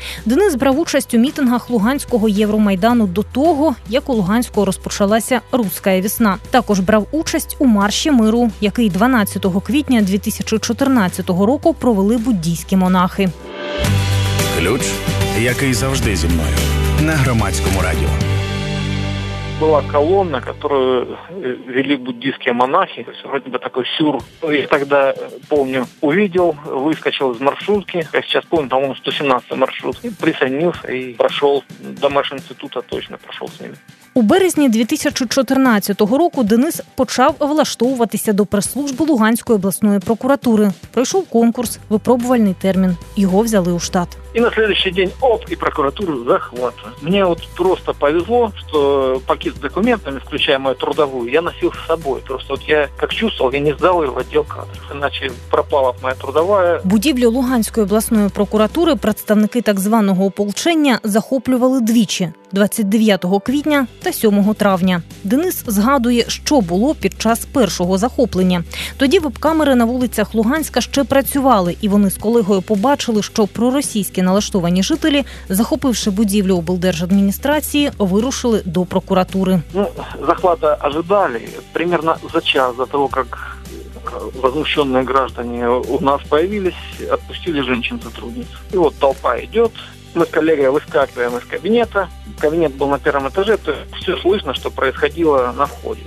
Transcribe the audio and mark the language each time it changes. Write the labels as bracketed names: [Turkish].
[Ukrainian] Денис брав участь у мітингах Луганського Євромайдану до того, як у Луганську розпочалася «Руська весна». Також брав участь у марші миру, який 12 квітня 2014 року провели буддійські монахи. Ключ, який завжди зі мною, на Громадському радіо. [Russian] Была колонна, которую вели буддийские монахи. То есть, вроде бы такой сюр. Я тогда, помню, увидел, выскочил из маршрутки. Я сейчас помню, по-моему, 117 маршрут. И присоединился и прошел до Машинститута, точно прошел с ними. [Ukrainian] У березні 2014 року Денис почав влаштовуватися до прес-служби Луганської обласної прокуратури. Пройшов конкурс, випробувальний термін. Його взяли у штат. [Russian] І на следующий день оп, і прокуратуру захватили. [Ukrainian] Мені от просто повезло, що пакет з документами, включаючи мою трудову, я носив з собою. Просто от я, як чувствував, я не здав його в відділ кадрів, іначе пропала б моя трудова. Будівлю Луганської обласної прокуратури представники так званого ополчення захоплювали двічі – 29 квітня та 7 травня. Денис згадує, що було під час першого захоплення. Тоді веб-камери на вулицях Луганська ще працювали, і вони з колегою побачили, що проросійські налаштовані жителі, захопивши будівлю облдержадміністрації, вирушили до прокуратури. [Russian] Ну, захвата ожидали приблизно за час до того, як возмущенные граждане у нас появились, отпустили женщин-сотрудниц. [Ukrainian] І от толпа йде. [Russian] Мы с коллегой выскакиваем из кабинета. Кабинет был на первом этаже, то есть все слышно, что происходило на входе.